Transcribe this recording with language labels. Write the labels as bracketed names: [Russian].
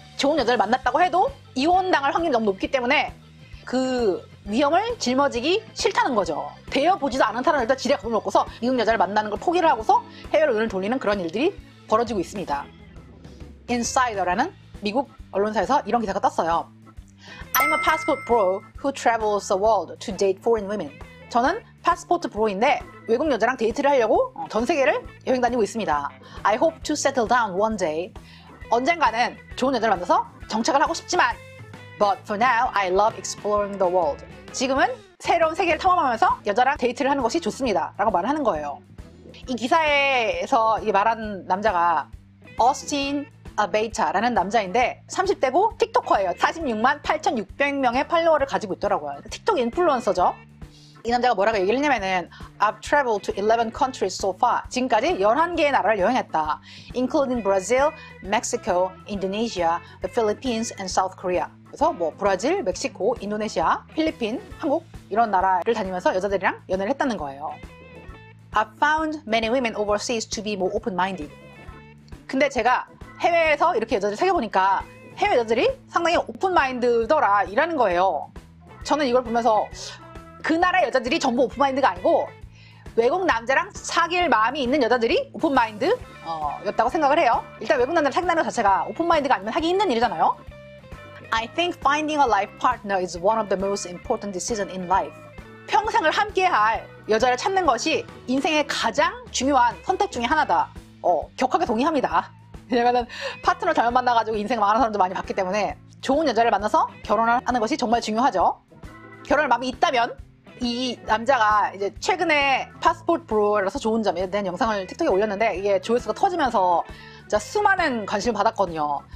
[Korean] 좋은 여자를 만났다고 해도 이혼당할 확률이 너무 높기 때문에 그 위험을 짊어지기 싫다는 거죠. 대여보지도 않은 사람을 일단 지레 겁을 먹고서 미국 여자를 만나는 걸 포기를 하고서 해외로 눈을 돌리는 그런 일들이 벌어지고 있습니다. Insider라는 미국 언론사에서 이런 기사가 떴어요. [English] I'm a passport bro who travels the world to date foreign women. [Korean] 저는 passport bro인데 외국 여자랑 데이트를 하려고 전 세계를 여행 다니고 있습니다. [English] I hope to settle down one day. [Korean] 언젠가는 좋은 여자를 만나서 정착을 하고 싶지만 [English] But for now, I love exploring the world. [Korean] 지금은 새로운 세계를 탐험하면서 여자랑 데이트를 하는 것이 좋습니다. 라고 말을 하는 거예요. 이 기사에서 말한 남자가 Austin Abeta라는 남자인데 30대고 틱톡커예요. 46만 8,600명의 팔로워를 가지고 있더라고요. 틱톡 인플루언서죠. 이 남자가 뭐라고 얘기를 했냐면은 [English] I've traveled to 11 countries so far. [Korean] 지금까지 11개의 나라를 여행했다. [English] Including Brazil, Mexico, Indonesia, the Philippines, and South Korea. [Korean] 그래서 뭐 브라질, 멕시코, 인도네시아, 필리핀, 한국 이런 나라를 다니면서 여자들이랑 연애를 했다는 거예요. [English] I've found many women overseas to be more open-minded. [Korean] 근데 제가 해외에서 이렇게 여자들 사귀어보니까 해외 여자들이 상당히 오픈마인드더라 이라는 거예요. 저는 이걸 보면서 그 나라 여자들이 전부 오픈마인드가 아니고 외국 남자랑 사귈 마음이 있는 여자들이 오픈마인드였다고 생각을 해요. 일단 외국 남자를 사귀는 것 자체가 오픈마인드가 아니면 하기 힘든 일이잖아요. [English] I think finding a life partner is one of the most important decisions in life. [Korean] 평생을 함께할 여자를 찾는 것이 인생의 가장 중요한 선택 중에 하나다. 격하게 동의합니다. 왜냐면은 파트너 잘못 만나가지고 인생 망하는 사람도 많이 봤기 때문에 좋은 여자를 만나서 결혼을 하는 것이 정말 중요하죠. 결혼할 마음이 있다면 이 남자가 이제 최근에 파스포트 브로라서 좋은 점에 대한 영상을 틱톡에 올렸는데 이게 조회수가 터지면서 진짜 수많은 관심을 받았거든요.